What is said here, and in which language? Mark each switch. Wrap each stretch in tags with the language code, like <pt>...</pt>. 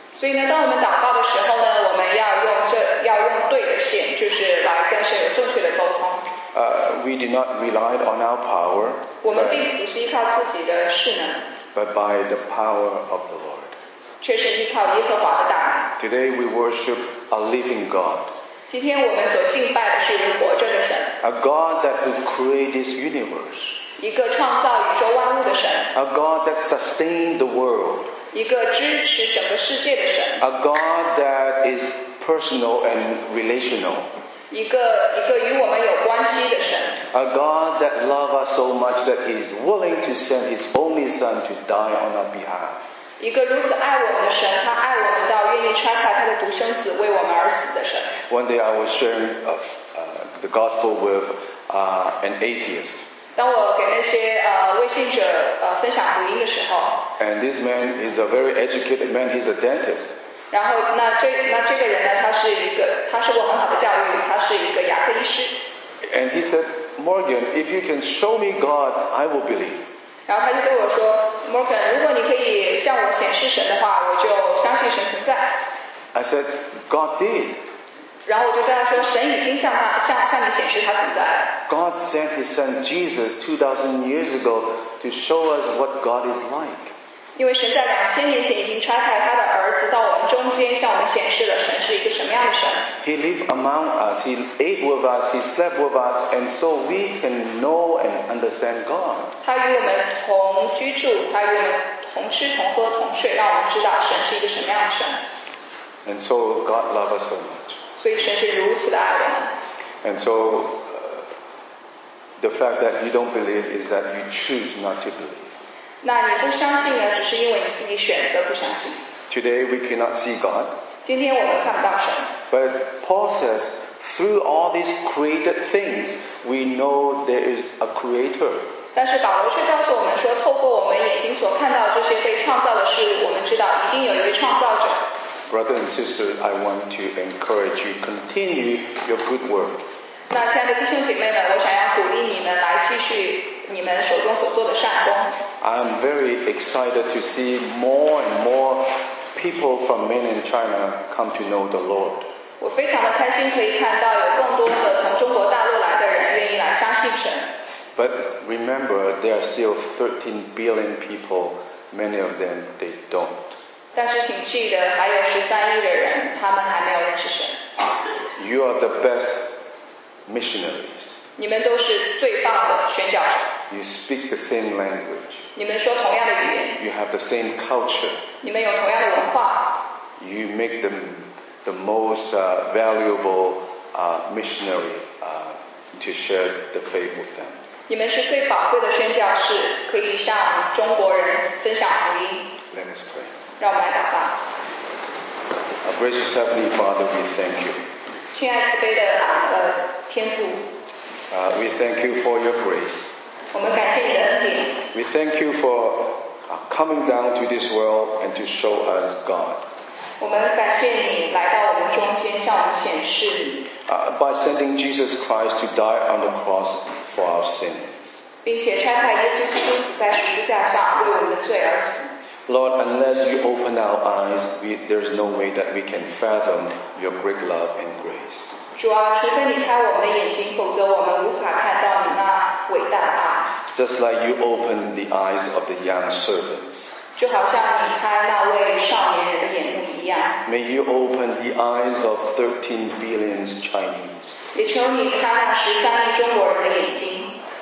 <zh>所以呢，当我们祷告的时候呢，我们要用对的线，就是来跟神有正确的沟通。</zh> <en>We do not rely on our power.</en> <zh>我们并不是依靠自己的势能。</zh> <en>But by the power of the Lord.</en> <zh>却是依靠耶和华的大能。</zh> <en>Today we worship a living God.</en> <zh>今天我们所敬拜的是一个活着的神。</zh> <en>A God that who created this universe.</en> <zh>一个创造宇宙万物的神。</zh> <en>A God that sustained the world.</en> <zh>一个支持整个世界的神。</zh> <en>A God that is personal and relational.</en> <zh>一个与我们有关系的神。</zh> <en>A God that loves us so much that He is willing to send His only Son to die on our behalf.</en> <zh>一个如此爱我们的神，他爱我们到愿意拆开他的独生子为我们而死的神。</zh> <en>One day I was sharing the gospel with an atheist.</en> <zh>当我给那些未信者分享福音的时候。</zh> <en>And this man is a very educated man. He's a dentist.</en> <zh>然后那这个人呢，他受过很好的教育，他是一个雅克医师。</zh> <en>And he said, Morgan, if you can show me God, I will believe.</en> <zh>然后他就对我说 ，Morgan， 如果你可以向我显示神的话，我就相信神存在。</zh> <en>I said, God did.</en> <zh>然后我就跟他说，神已经向你显示他存在。</zh> <en>God sent His Son Jesus 2,000 years ago to show us what God is like.</en> <zh>因为神在2000年前已经差派他的儿子到我们中间，向我们显示了神是一个什么样的神。</zh> <en>He lived among us, He ate with us, He slept with us, and so we can know and understand God.</en> <zh>他与我们同居住，他与我们同吃同喝同睡，让我们知道神是一个什么样的神。</zh> <en>And so God loved us so much.</en> <zh>所以神是如此的爱我们。</zh> <en>And so,the fact that you don't believe is that you choose not to believe.</en> <zh>那你不相信呢，只是因为你自己选择不相信。</zh> <en>Today we cannot see God.</en> <zh>今天我们看不到神。</zh> <en>But Paul says, through all these created things, we know there is a creator.</en> <zh>但是保罗却告诉我们说，透过我们眼睛所看到这些被创造的事物，我们知道一定有一位创造者。</zh> <en>Brother and sister, I want to encourage you, continue your good work.</en> <zh>那亲爱的弟兄姐妹们，我想要鼓励你们来继续你们手中所做的善工。</zh> <en>I'm very excited to see more and more people from mainland China come to know the Lord.</en> <zh>我非常的开心可以看到有更多的从中国大陆来的人愿意来相信神。</zh> <en>But remember, there are still 13 billion people. Many of them, they don't.</en> <zh>但是请记得，还有13亿的人，他们还没有认识神。</zh> <en>You are the best. Missionaries.</en> <zh>你们都是最棒的宣教者。</zh> <en>You speak the same language.</en> <zh>你们说同样的语言。</zh> <en>You have the same culture.</en> <zh>你们有同样的文化。</zh> <en>You make them the most valuable missionary to share the faith with them.</en> <zh>你们是最宝贵的宣教士，可以向中国人分享福音。</zh> <en>Let us pray.</en> <zh>让我们来祷告。</zh> <en>Our gracious Heavenly Father, we thank you.</en> <zh>亲爱慈悲的天父</zh> <en>We thank you for your grace.</en> <zh>我们感谢你的恩典。</zh> <en>We thank you for coming down to this world and to show us God.</en> <zh>我们感谢你来到我们中间向我们显示你。</zh> <en>By sending Jesus Christ to die on the cross for our sins.</en> <zh>并且差派耶稣基督死在十字架上为我们的罪而死。</zh> <en>Lord, unless you open our eyes, there is no way that we can fathom your great love and grace.</en> <zh>主啊，除非你开我们的眼睛，否则我们无法看到你那伟大的爱。</zh> <en>Just like you opened the eyes of the young servants.</en> <zh>就好像你开那位少年人的眼目一样。</zh> <en>May you open the eyes of 13 billion Chinese.</en> <zh>也求你开那13亿中国人的眼睛。</zh>